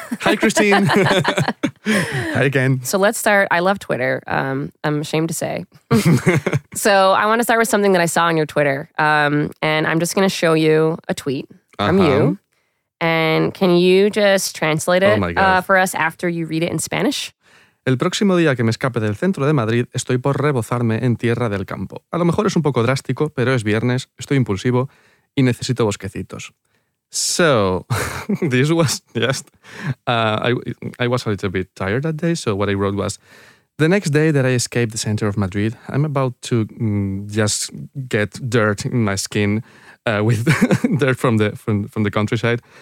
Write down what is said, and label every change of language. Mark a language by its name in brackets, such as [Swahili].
[English] Hi, Christine. Hi again. So let's start. I love Twitter. I'm ashamed to say. So I want to start with something that I saw on your Twitter. And I'm just going to show you a tweet from you. And can you just translate it for us after you read it in Spanish? [Spanish] El próximo día que me escape del centro de Madrid, estoy por rebozarme en tierra del campo. A lo mejor es un poco drástico, pero es viernes, estoy impulsivo y necesito bosquecitos. [English] So, this was just, I was a little bit tired that day, so what I wrote was, the next day that I escape the center of Madrid, I'm about to just get dirt in my skin with dirt from the countryside.